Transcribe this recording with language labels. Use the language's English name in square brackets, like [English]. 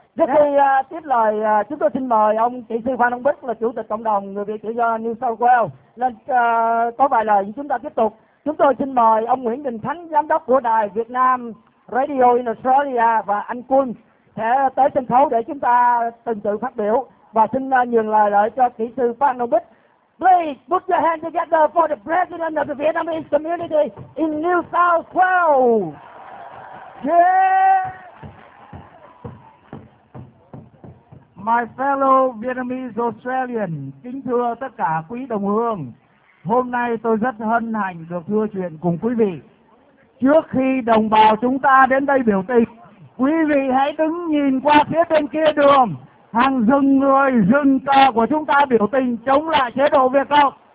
[Vietnamese] Trước khi tiếp lời, chúng tôi xin mời ông kỹ sư Phan Đông Bích là chủ tịch cộng đồng người Việt tự do New South Wales lên có vài lời với chúng ta tiếp tục. Chúng tôi xin mời ông Nguyễn Đình Thắng, giám đốc của đài Việt Nam Radio in Australia và anh Quân sẽ tới sân khấu để chúng ta từng tự phát biểu và xin nhường lời lại cho kỹ sư Phan Đông Bích. [English] Please put your hand together for the president of the Vietnamese community in New South Wales. Yeah. My fellow Vietnamese Australian, [Vietnamese] kính thưa tất cả quý đồng hương, hôm nay tôi rất hân hạnh được thưa chuyện cùng quý vị. Trước khi đồng bào chúng ta đến đây biểu tình, quý vị hãy đứng nhìn qua phía bên kia đường, hàng rừng người rừng cờ của chúng ta biểu tình chống lại chế độ Việt Cộng.